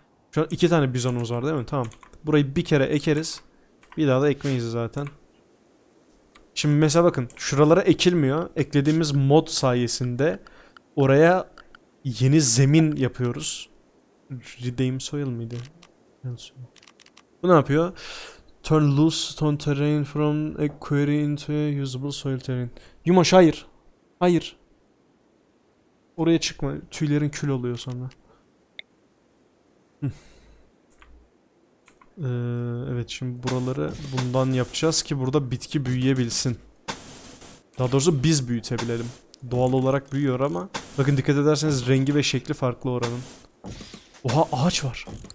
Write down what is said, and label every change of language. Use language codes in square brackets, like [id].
[tr] Şu an iki tane bizonumuz var değil mi? Tamam. Burayı bir kere ekeriz. Bir daha da ekmeyiz zaten. Şimdi mesela bakın. Şuralara ekilmiyor. Eklediğimiz mod sayesinde oraya yeni zemin yapıyoruz. Redeem Soil mıydı? Redeem. Bu ne yapıyor? [en] Turn loose stone terrain from a quarry into a usable soil terrain. [tr] Yumaş, hayır. Hayır. Oraya çıkma. Tüylerin kül oluyor sonra. evet, şimdi buraları bundan yapacağız ki burada bitki büyüyebilsin. Daha doğrusu biz büyütebilelim. Doğal olarak büyüyor ama. Bakın, dikkat ederseniz rengi ve şekli farklı oranın. Oha, ağaç var.